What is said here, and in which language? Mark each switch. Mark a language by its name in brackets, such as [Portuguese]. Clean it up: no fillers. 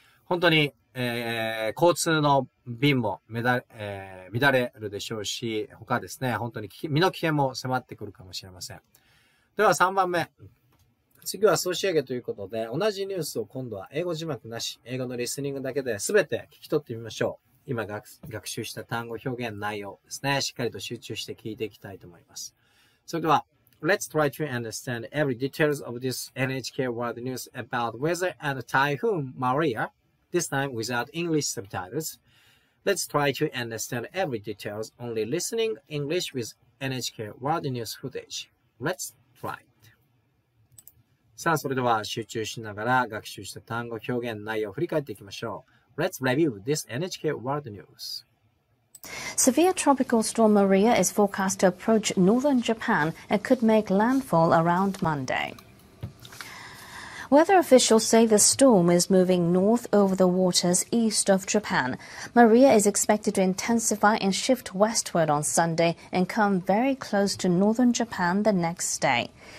[Japanese] 本当に、交通の便も乱れるでしょうし、他ですね、本当に身の危険も迫ってくるかもしれません。では3番目。次は総仕上げということで、同じニュースを今度は英語字幕なし、英語のリスニングだけで全て聞き取ってみましょう。今学習した単語表現内容ですね。しっかりと集中して聞いていきたいと思います。 [English] それでは、Let's try to understand every details of this NHK World News about weather and Typhoon Maria, this time without English subtitles. Let's try to understand every details, only listening English with NHK World News footage. Let's try it. [Japanese] さあ、それでは集中しながら学習した単語表現内容を振り返っていきましょう。 [English] Let's review this NHK World News. Severe tropical storm Maria is forecast to approach northern Japan and could make landfall around Monday. Weather officials say the storm is moving north over the waters east of Japan. Maria is expected to intensify and shift westward on Sunday and come very close to northern Japan the next day.